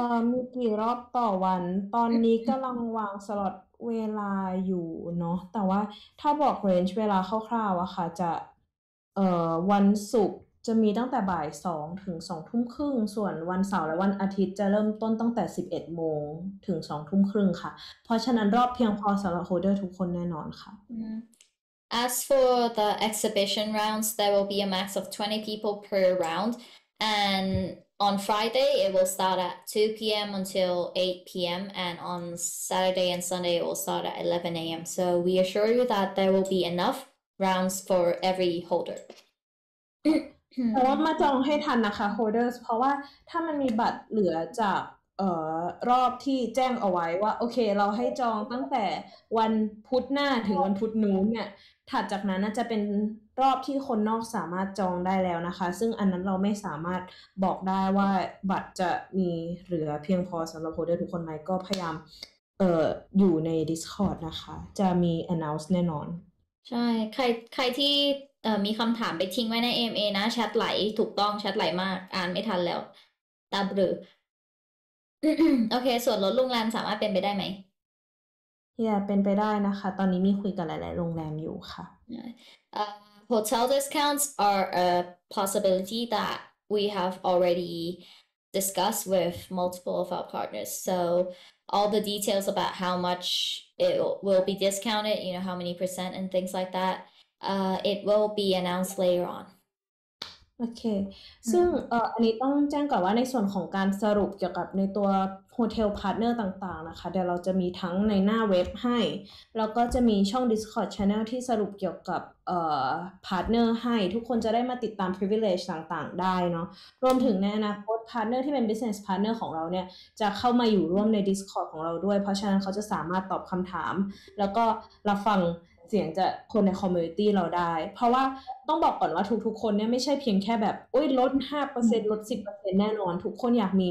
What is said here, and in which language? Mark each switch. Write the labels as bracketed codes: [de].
[th] มีกี่รอบต่อวันตอนนี้กำลังวางสล็อตเวลาอยู่เนาะแต่ว่าถ้าบอกเรนจ์เวลาคร่าวๆอะค่ะจะวันศุกร์จะมีตั้งแต่บ่าย2ถึง2ทุ่มครึ่งส่วนวันเสาร์และวันอาทิตย์จะเริ่มต้นตั้งแต่11โมงถึง2ทุ่มครึ่งค่ะเพราะฉะนั้นรอบเพียงพอสำหรับโฮเดอร์ทุกคนแน่นอนค่ะ [en] As for the exhibition rounds there will be a max of 20 people per round andOn Friday, it will start at 2 p.m. until 8 p.m. And on Saturday and Sunday, it will start at 11 a.m. So we assure you that there will be enough rounds for every holder. [th] เพราะมาจองให้ทันนะคะ holders เพราะว่าถ้ามันมีบัตรเหลือจากรอบที่แจ้งเอาไว้ว่าโอเคเราให้จองตั้งแต่วันพุธหน้าถึงวันพุธนู้นเนี่ยถัดจากนั้นน่าจะเป็นรอบที่คนนอกสามารถจองได้แล้วนะคะซึ่งอันนั้นเราไม่สามารถบอกได้ว่าบัตรจะมีเหลือเพียงพอสำหรับโฮเดอร์ทุกคนไหมก็พยายามอยู่ใน Discord นะคะจะมี announce แน่นอน ใช่ใครที่มีคำถามไปทิ้งไว้ใน AMA นะแชทไหลถูกต้องแชทไหลมากอ่านไม่ทันแล้วตาบลือโอเคส่วนรถโรงแรมสามารถเป็นไปได้ไหม Yeah, เป็นไปได้นะคะตอนนี้มีคุยกับหลายๆโรงแรมอยู่ค่ะ [en] Hotel discounts are a possibility that we have already discussed with multiple of our partners. So all the details about how much it will be discounted, you know, how many percent and things like that, it will be announced later on. Okay. [th] ซึ่งอันนี้ต้องแจ้งก่อนว่าในส่วนของการสรุปเกี่ยวกับในตัวhotel partner ต่างๆนะคะเดี๋ยวเราจะมีทั้งในหน้าเว็บให้แล้วก็จะมีช่อง Discord channel ที่สรุปเกี่ยวกับ partner ให้ทุกคนจะได้มาติดตาม privilege ต่างๆได้เนาะรวมถึงในอนาคต partner ที่เป็น business partner ของเราเนี่ยจะเข้ามาอยู่ร่วมใน Discord ของเราด้วยเพราะฉะนั้นเขาจะสามารถตอบคำถามแล้วก็รับฟังเสียงจากคนใน community เราได้เพราะว่าต้องบอกก่อนว่าทุกๆคนเนี่ยไม่ใช่เพียงแค่แบบโอ๊ยลด 5% ลด 10% แน่นอนทุกคนอย